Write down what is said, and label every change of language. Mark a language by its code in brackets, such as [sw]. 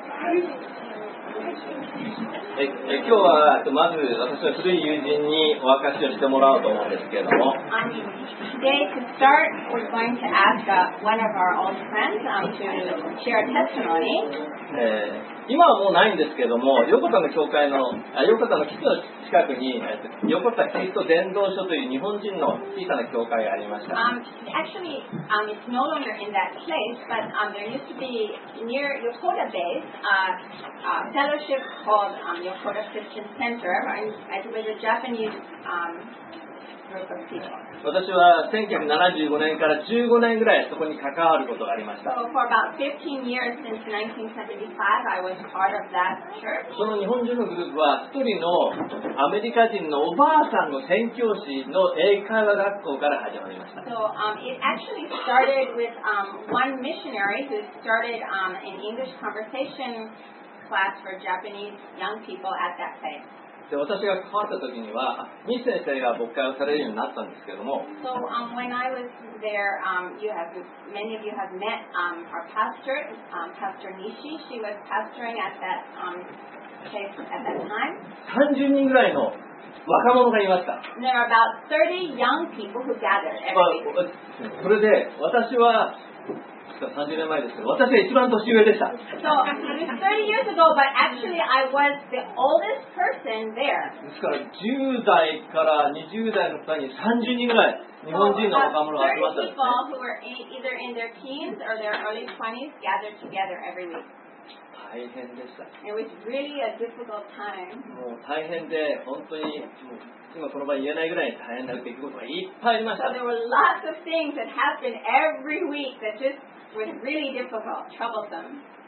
[ja] 今日はまず私は古い友人にお明かしをしてもらおうと思うんですけれども。 [en] Today to start, we're going to ask one of our old friends to share a testimony. [ja] 今はもうないんですけども、横田の教会の、横田の基地の近くに、横田キリスト伝道所という日本人の小さな教会がありました。 [en] Actually, it's no longer in that place, but there used to be near Yokota base, a fellowship called Yokota Christian Center, and it was a Japanese, [ja] 私は1975年から15年ぐらいそこに関わることがありました。 [en] So for about 15 years since 1975, I was part of that church. [ja] その日本人のグループは一人のアメリカ人のおばあさんの宣教師の英会話学校から始まりました。 [en] So it actually started with one missionary who started an English conversation class for Japanese young people at that place. [ja] で私が関わった時には、ミス先生が牧会をされるようになったんですけども。 [en] So, when I was there, many of you have met our pastor, Pastor Nishi. She was pastoring at that time. [ja] 30人ぐらいの若者がいました。 [en] There are about 30 young people who gathered every week. [ja] それで、私は、30年前ですけど、私が一番年上でした。 [en] So, it was 30 years ago, but actually I was the oldest person there. [ja] ですから10代から20代の方に30人ぐらい日本人の若者が集まったんです、ね。 [en] So, 30 people who were either in their teens or their early 20s gathered together every week. [ja] 大変でした。 [en] It was really a difficult time. [ja] もう大変で、本当に。今この場に言えないぐらい大変な出来事がいっぱいありました。 [en] So there were lots of things that happened every week that just was really difficult, troublesome.